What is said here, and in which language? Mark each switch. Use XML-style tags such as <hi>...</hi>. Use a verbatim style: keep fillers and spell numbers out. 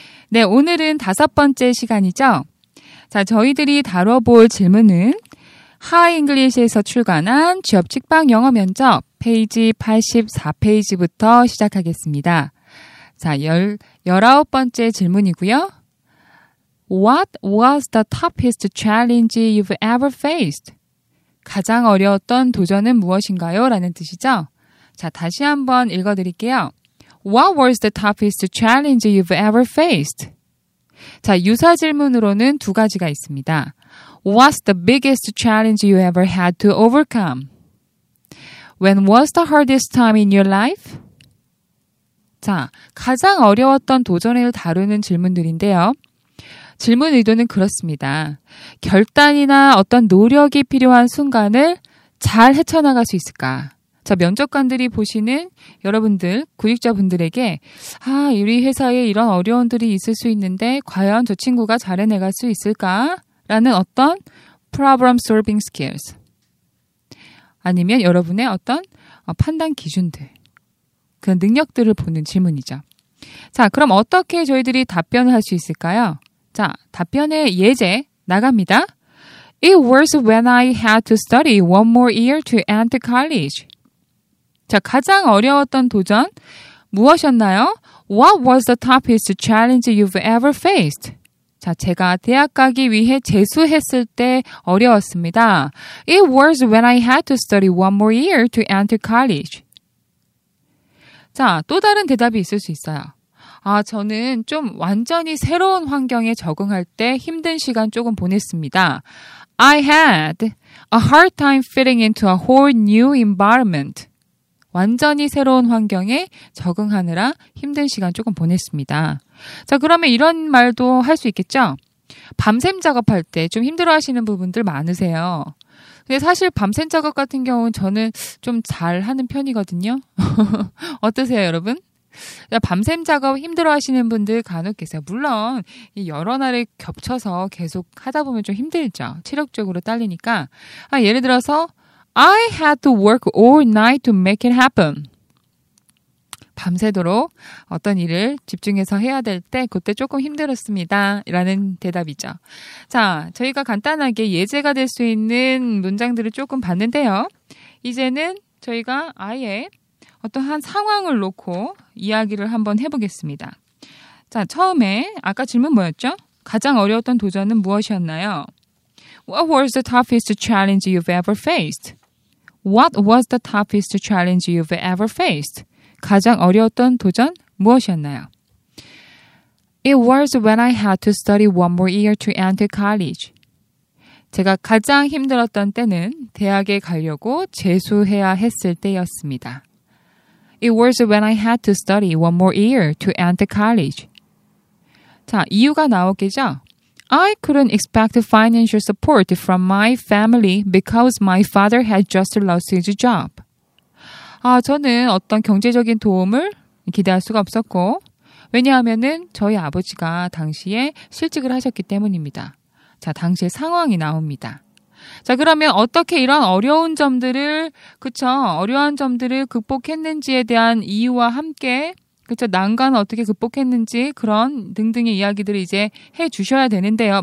<ko>네, 오늘은 다섯 번째 시간이죠. 자, 저희들이 다뤄볼 질문은 하이잉글리시에서 출간한 취업 직방 영어 면접 페이지 팔십사 페이지부터 시작하겠습니다. 자, 열, 열아홉 번째 질문이고요.</ko> <en>What was the toughest challenge you've ever faced?</en> <ko>가장 어려웠던 도전은 무엇인가요? 라는 뜻이죠. 자, 다시 한번 읽어드릴게요.</ko> <en>What was the toughest challenge you've ever faced?</en> <ko>자, 유사 질문으로는 두 가지가 있습니다.</ko> <en>What's the biggest challenge you ever had to overcome? When was the hardest time in your life?</en> <ko>자, 가장 어려웠던 도전을 다루는 질문들인데요. 질문 의도는 그렇습니다. 결단이나 어떤 노력이 필요한 순간을 잘 헤쳐나갈 수 있을까? 자, 면접관들이 보시는 여러분들, 구직자분들에게 아, 우리 회사에 이런 어려움들이 있을 수 있는데 과연 저 친구가 잘 해내갈 수 있을까? 라는 어떤</ko> <en>problem solving skills</en> <ko>아니면 여러분의 어떤 판단 기준들 그 능력들을 보는 질문이죠. 자, 그럼 어떻게 저희들이 답변을 할 수 있을까요? 자, 답변의 예제 나갑니다.</ko> <en>It was when I had to study one more year to enter college.</en> <ko>자, 가장 어려웠던 도전 무엇이었나요?</ko> <en>What was the toughest challenge you've ever faced?</en> <ko>자, 제가 대학 가기 위해 재수했을 때 어려웠습니다.</ko> <en>It was when I had to study one more year to enter college.</en> <ko>자, 또 다른 대답이 있을 수 있어요. 아, 저는 좀 완전히 새로운 환경에 적응할 때 힘든 시간 조금 보냈습니다.</ko> <en>I had a hard time fitting into a whole new environment.</en> <ko>완전히 새로운 환경에 적응하느라 힘든 시간 조금 보냈습니다. 자, 그러면 이런 말도 할 수 있겠죠? 밤샘 작업할 때 좀 힘들어하시는 부분들 많으세요. 근데 사실 밤샘 작업 같은 경우는 저는 좀 잘하는 편이거든요. 어떠세요, 여러분? 밤샘 작업 힘들어하시는 분들 간혹 계세요. 물론 이 여러 날에 겹쳐서 계속 하다 보면 좀 힘들죠. 체력적으로 딸리니까. 아, 예를 들어서</ko> <en>I had to work all night to make it happen.</en> <ko>밤새도록 어떤 일을 집중해서 해야 될 때 그때 조금 힘들었습니다. 라는 대답이죠. 자, 저희가 간단하게 예제가 될 수 있는 문장들을 조금 봤는데요. 이제는 저희가 아예 어떤 한 상황을 놓고 이야기를 한번 해보겠습니다. 자, 처음에 아까 질문 뭐였죠? 가장 어려웠던 도전은 무엇이었나요?</ko> <en>What was the toughest challenge you've ever faced? What was the toughest challenge you've ever faced?</en> <ko>가장 어려웠던 도전 무엇이었나요?</ko> <en>It was when I had to study one more year to enter college.</en> <ko>제가 가장 힘들었던 때는 대학에 가려고 재수해야 했을 때였습니다.</ko> <en>It was when I had to study one more year to enter college.</en> <ko>자, 이유가 나오겠죠?</ko> <en>I couldn't expect financial support from my family because my father had just lost his job.</en> <ko>아, 저는 어떤 경제적인 도움을 기대할 수가 없었고, 왜냐하면은 저희 아버지가 당시에 실직을 하셨기 때문입니다. 자, 당시의 상황이 나옵니다. 자, 그러면 어떻게 이런 어려운 점들을, 그쵸, 어려운 점들을 극복했는지에 대한 이유와 함께, 그쵸, 난관을 어떻게 극복했는지 그런 등등의 이야기들을 이제 해 주셔야 되는데요.</ko>